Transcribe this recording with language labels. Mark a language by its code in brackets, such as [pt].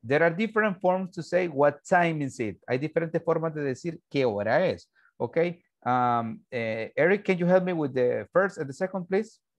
[en] There are different forms to say what time is it. [es] Hay diferentes formas de decir qué hora es. [en] Okay, Eric, can you help me with the first and the second, please?